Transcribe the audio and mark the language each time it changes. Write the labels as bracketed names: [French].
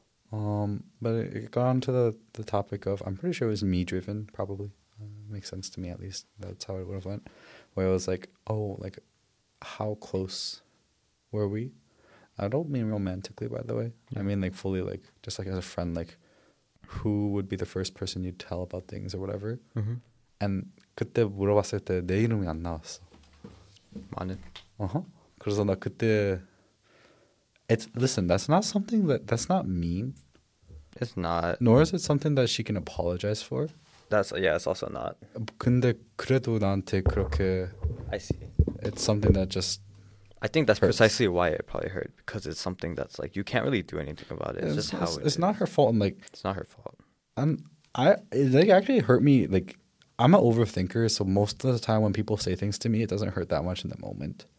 [English] But it got on to the topic of, I'm pretty sure it was me-driven, probably. Makes sense to me, at least. That's how it would have went. Where it was, like, oh, like, how close... were we? I don't mean romantically, by the way. Yeah. I mean, like, fully, like, just, like, as a friend, like, who would be the first person you'd tell about things or whatever? Mm-hmm. [Korean] And 그때 물어봤을 때 내 이름이 안 나왔어. 많은. [English] Uh-huh. [Korean] 그래서 나 그때... [English] It's, listen, that's not something that... That's not mean. It's not. Nor is it something that she can apologize for. That's, yeah, it's also not. [Korean] 근데 그래도 나한테 그렇게. [English] I see. It's something that just. I think that's hurts. Precisely why it probably hurt, because it's something that's like, you can't really do anything about it. It's just how it's not her fault. I'm like. It's not her fault. It actually hurt me. Like, I'm an overthinker, so most of the time when people say things to me, it doesn't hurt that much in the moment.